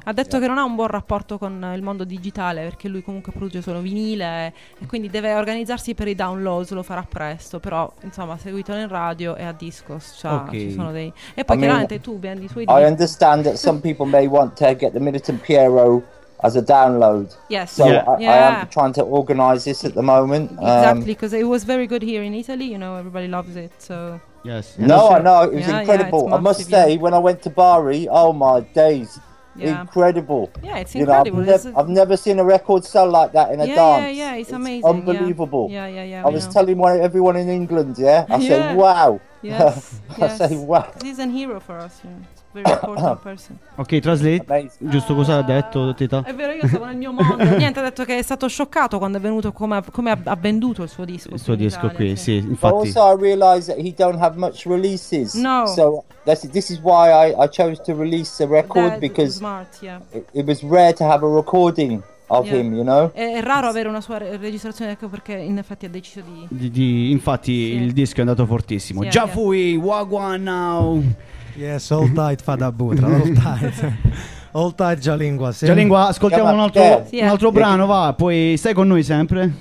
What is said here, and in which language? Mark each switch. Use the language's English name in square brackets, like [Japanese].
[Italian] Ha detto che non ha un buon rapporto con il mondo digitale, perché lui comunque produce solo vinile e quindi deve organizzarsi per i downloads, lo farà presto. Però, insomma, seguitelo in radio e a Discos. E poi chiaramente tu vendi i suoi dischi. [English] I understand that some people may want to get the Militant Piero as a download. Yes. So I am trying to organize this at the moment. Exactly, because it was very good here in Italy, you know, everybody loves it, so... Yes. No, I know, it was incredible. Yeah, I must say, when I went to Bari, oh my days, incredible. Yeah, it's incredible. You know, I've never seen a record sell like that in a dance. Yeah, it's amazing. Unbelievable. Yeah. I was telling everyone in England, I said, wow. Yes, I said, wow. He's a hero for us, you know. Very important person. Ok, translate. Amazing. [Italian] Giusto, cosa ha detto, Tita? È vero, io stavo nel mio mondo. Niente, ha detto che è stato scioccato quando è venuto, come ha venduto il suo disco. Il suo disco qui, sì, infatti. [English] But also I realized that he don't have much releases. No. So this is why I chose to release the record, that because smart, it was rare to have a recording of him, you know? [Italian] È raro avere una sua registrazione, ecco perché in effetti ha deciso di... Infatti il disco è andato fortissimo. Già fui, Wagwan now! [English] Yes, all tight, Fadabutra, all tight. All Tight Gialingua. [Italian] Gialingua, ascoltiamo un altro, yeah, un altro brano, va, poi stai con noi sempre.